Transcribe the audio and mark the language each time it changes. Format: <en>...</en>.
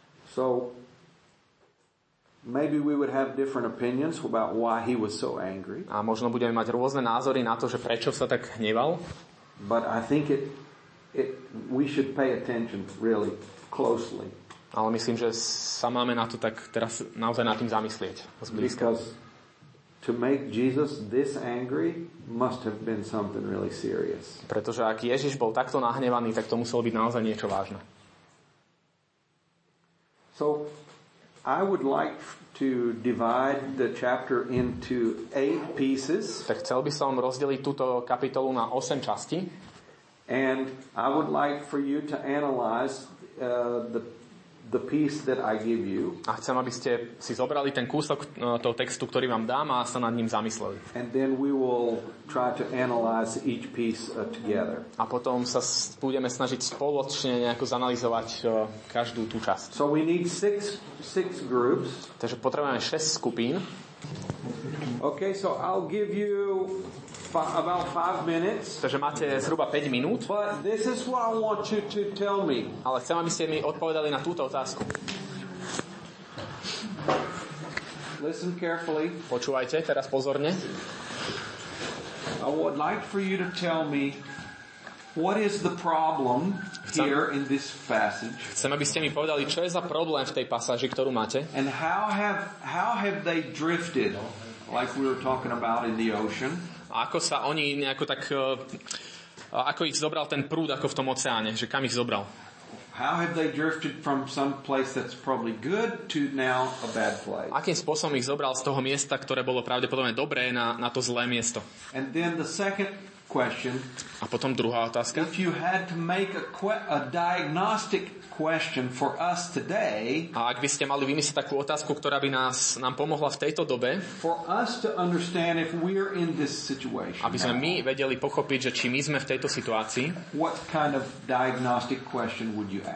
<en>So maybe we would have different opinions about why he was so angry.</en> <sk>A možno budeme mať rôzne názory na to, že prečo sa tak hneval.</sk> <en>But I think it we should pay attention really closely.</en> <sk>Ale myslím, že sa máme na to tak teraz naozaj nad tým zamyslieť. Zblízka.</sk> <en>Because to make Jesus this angry must have been something really serious.</en> <sk>Pretože ak Ježiš bol takto nahnevaný, tak to muselo byť naozaj niečo vážne.</sk> <en>So I would like to divide the chapter into 8 pieces.</en> <sk>Tak chcel by som rozdeliť túto kapitolu na 8 častí.</sk> <en>And I would like for you to analyze the piece that I give you.</en> <sk>A chcem, aby ste si zobrali ten kúsok toho textu, ktorý vám dám, a sa nad ním zamysleli.</sk> <en>And then we will try to analyze each piece together.</en> <sk>A potom sa budeme snažiť spoločne nejako zanalyzovať každú tú časť.</sk> <en>So we need six groups.</en> <sk>Takže potrebujeme 6 skupín.</sk> <en>Okay, so I'll give you about 5 minutes.</en> <sk>Takže máte zhruba 5 minút.</sk> <en>But this is what I want you to tell me.</en> <sk>Ale chcem, aby ste mi odpovedali na túto otázku.</sk> <en>Listen carefully.</en> <sk>Počúvajte teraz pozorne.</sk> <en>I would like for you to tell me what is the problem here in this passage.</en> <sk>Chcem, aby ste mi povedali, čo je za problém v tej pasáži, ktorú máte.</sk> <en>And how have they drifted like we were talking about in the ocean.</en> <sk>A ako sa oni nejako tak ako ich zobral ten prúd ako v tom oceáne, že kam ich zobral?</sk> <en>How have they drifted from some place that's probably good to now a bad place?</en> <sk>Akým spôsobom ich zobral z toho miesta, ktoré bolo pravdepodobne dobré, na to zlé miesto?</sk> <en>And then the second question.</en> <sk>A potom druhá otázka.</sk> <en>If you had to make a diagnostic question for us today.</en> <sk>A ak by ste mali vymyslieť takú otázku, ktorá by nám pomohla v tejto dobe.</sk> <en>For us to understand if we are in this situation.</en> <sk>Aby sme my vedeli pochopiť, že či my sme v tejto situácii.</sk> <en>What kind of diagnostic question would you ask?</en>